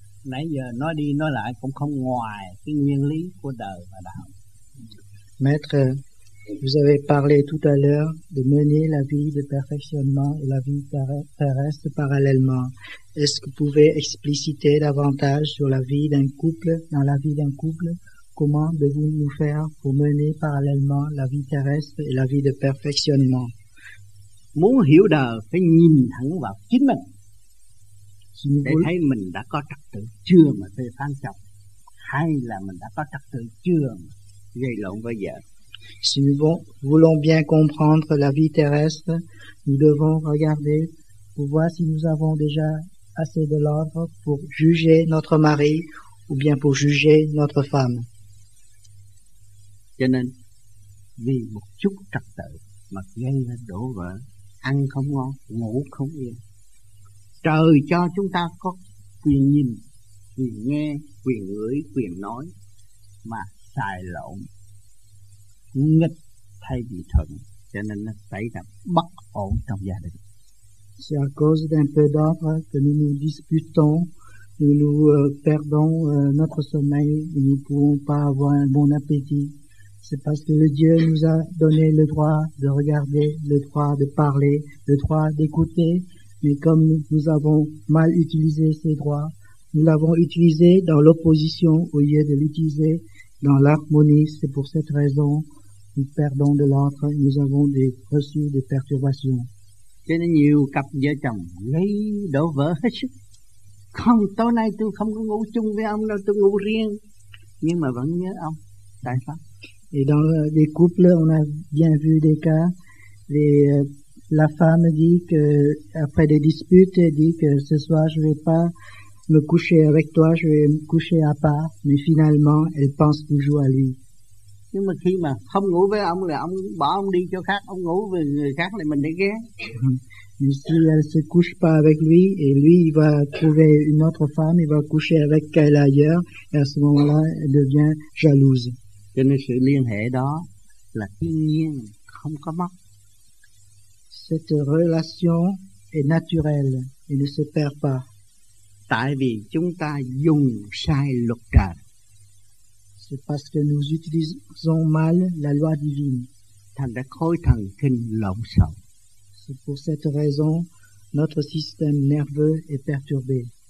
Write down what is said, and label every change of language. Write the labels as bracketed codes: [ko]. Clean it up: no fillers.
[vi] Nãy giờ nói đi nói lại cũng không ngoài cái nguyên lý của đời và đạo. [fr] Maître, vous avez parlé tout à l'heure de mener la vie de perfectionnement et la vie terrestre parallèlement. Est-ce que vous pouvez expliciter davantage sur la vie d'un couple, dans la vie d'un couple, comment devons-nous nous faire pour mener parallèlement la vie terrestre et la vie de perfectionnement? [vi] Muốn hiểu đời phải nhìn thẳng vào chính mình. [fr] Si [vi] để [fr] vous... [vi] thấy mình đã có trật tự chưa mà phê phán chồng, hay là mình đã có trật tự chưa mà gây lộn với vợ. [fr] Si nous voulons bien comprendre la vie terrestre, nous devons regarder pour voir si nous avons déjà assez de l'ordre pour juger notre mari ou bien pour juger notre femme. [vi] Cho nên, vì một chút trật tự mà gây ra đổ vỡ, ăn không ngon, ngủ không yên. Trời cho chúng ta có quyền nhìn, quyền nghe, quyền ngửi, quyền nói mà xài lộn. Nghịch thay vì thuận, cho nên nó xảy ra bất ổn trong gia đình. [fr] C'est à cause d'un peu d'ordre que nous nous disputons, nous nous perdons notre sommeil et nous ne pouvons pas avoir un bon appétit. C'est parce que le Dieu nous a donné le droit de regarder, le droit de parler, le droit d'écouter, mais comme nous avons mal utilisé ces droits, nous l'avons utilisé dans l'opposition au lieu de l'utiliser dans l'harmonie, c'est pour cette raison que nous perdons de l'ordre, nous avons des reçus des perturbations. [vi] Cho nên nhiều cặp vợ chồng gây đổ vỡ hết sức. Không, tối nay tôi không có ngủ chung với ông đâu, tôi ngủ riêng. Nhưng mà vẫn nhớ ông. Tại sao? [fr] Et dans les couples, on a bien vu des cas. La femme dit que, après des disputes, elle dit que ce soir je vais pas me coucher avec toi, je vais me coucher à part, mais finalement elle pense toujours à lui. [vi] Nhưng mà khi mà không ngủ với ông là ông bỏ ông đi cho khác, ông ngủ với người khác là mình để ghé. [fr] Mais si elle se couche pas avec lui et lui il va trouver une autre femme, il va coucher avec elle ailleurs, et à ce moment-là elle devient jalouse. [vi] Cho nên sự liên hệ đó là thiên nhiên, không có mất. [fr] Cette relation est naturelle et ne se perd pas. [vi] Tại vì chúng ta dùng sai luật trời. [fr] C'est parce que nous utilisons mal la loi divine. [vi] Thành ra khối thần kinh lộn xộn. [fr] C'est pour cette raison notre système nerveux est perturbé.